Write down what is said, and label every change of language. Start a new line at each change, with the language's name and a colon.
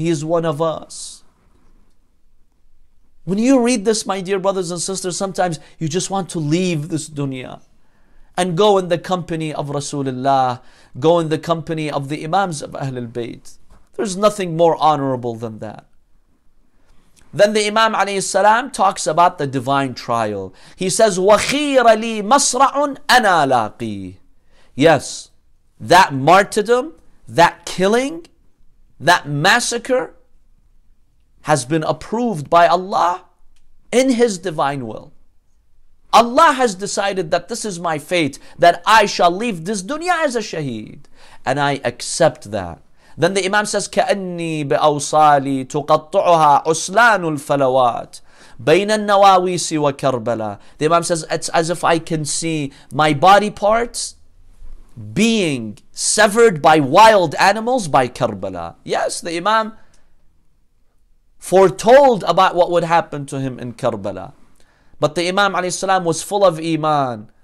English: He is one of us. When you read this, my dear brothers and sisters, sometimes you just want to leave this dunya and go in the company of Rasulullah, go in the company of the Imams of Ahlul Bayt. There's nothing more honorable than that. Then the Imam alayhi salam talks about the divine trial. He says,
Arabic: وَخِيرَ لِي مَصْرَعٌ أَنَا لَاقِي.
English: Yes, that martyrdom, that killing, that massacre has been approved by Allah in His divine will. Allah has decided that this is my fate, that I shall leave this dunya as a shaheed. And I accept that. Then the Imam says,
Arabic: كَأَنِّي بِأَوْصَالِي تُقَطْعُهَا عُسْلَانُ الْفَلَوَاتِ بَيْنَ النَّوَاوِيسِ وَكَرْبَلَا.
English: The Imam says, it's as if I can see my body parts being severed by wild animals by Karbala. Yes, the Imam foretold about what would happen to him in Karbala. But the Imam
Arabic: عليه السلام
English: was full of Iman.